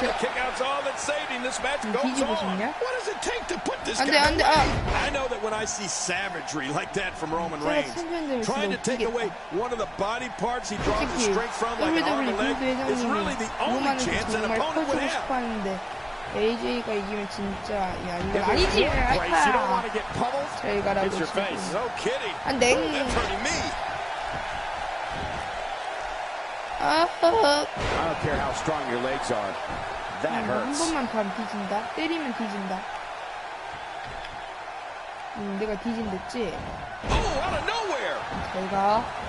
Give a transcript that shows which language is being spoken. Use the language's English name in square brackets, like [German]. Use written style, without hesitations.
[English] The kick out's all that's saving this match. Goes on. [Korean] 보셨냐? [English] What does it take to put this guy? [Korean] 안돼 안돼 아. [English] I know that when I see savagery like that from Roman Reigns, trying to take away one of the body parts he draws his strength from, like an arm and leg, is really the only chance an opponent would have. [Korean] AJ가 이기면 진짜 야 이거 아니지 아이파 잘 가라고 지금 안 돼 [English] I don't care how strong your legs are. That hurts. [Korean] 한 번만 더 안 뒤진다 때리면 뒤진다 내가 뒤진댔지 잘 가